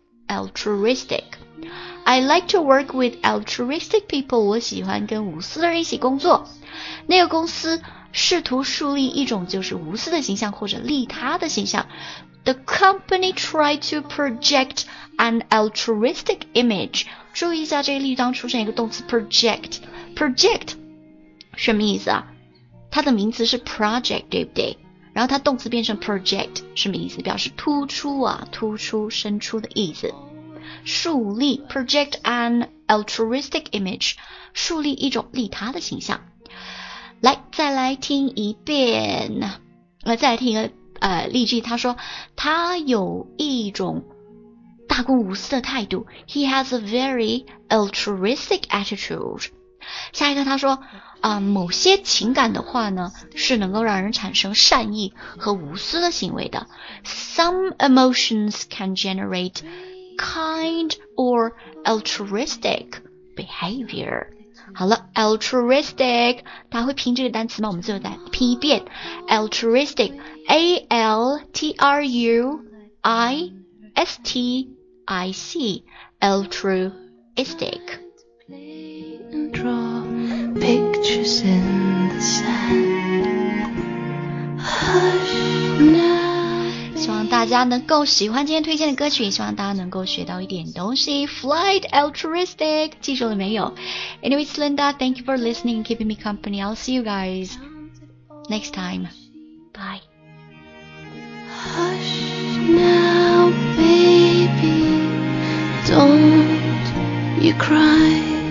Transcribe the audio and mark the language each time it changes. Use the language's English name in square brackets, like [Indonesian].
[English] altruistic, I like to work with altruistic people, [Chinese] 我喜欢跟无私的人一起工作。那个公司试图树立一种就是无私的形象或者利他的形象。 [English] The company tried to project an altruistic image. [Chinese] 注意一下这个例当出现一个动词 project. Project 什么意思啊？它的名词是 project, 对不对？然后它动词变成 project, 什么意思？表示突出啊，突出、伸出的意思。树立 [English] project an altruistic image, [Chinese] 树立一种利他的形象。来，再来听一遍，再来听一个例句。他说，他有一种大公无私的态度。 [English] He has a very altruistic attitude. [Chinese] 下一个他说，某些情感的话呢，是能够让人产生善意和无私的行为的。 [English] Some emotions can generate kind or altruistic behavior. [Chinese] 好了 altruistic, 大家会拼这个单词吗？我们最后再拼一遍 altruistic, A-L-T-R-U-I-S-T-I-C, altruistic. [English] And draw pictures in the sand. Hush, [Chinese] 希望大家能够喜欢今天推荐的歌曲，希望大家能够学到一点东西。 Flight altruistic, 记住了没有？ [English] Anyway, it's Linda, thank you for listening, keeping me company. I'll see you guys next time. Bye. Hush now, baby, don't you cry.